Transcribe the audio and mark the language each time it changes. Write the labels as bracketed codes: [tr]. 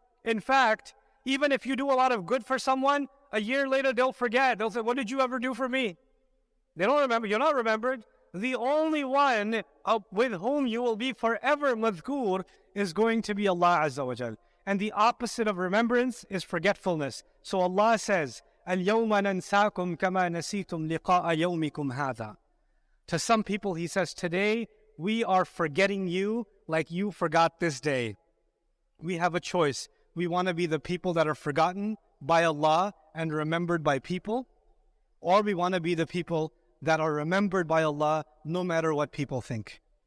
[en] In fact, even if you do a lot of good for someone, a year later they'll forget. They'll say, what did you ever do for me? They don't remember. You're not remembered. The only one with whom you will be forever madhkur is going to be Allah Azza wa Jal. And the opposite of remembrance is forgetfulness. So Allah says, [ar] الْيَوْمَ نَنْسَاكُمْ كَمَا نَسِيتُمْ لِقَاءَ يَوْمِكُمْ هَذَا. [en] To some people He says, today we are forgetting you like you forgot this day. We have a choice. We want to be the people that are forgotten by Allah and remembered by people, or we want to be the people that are remembered by Allah no matter what people think.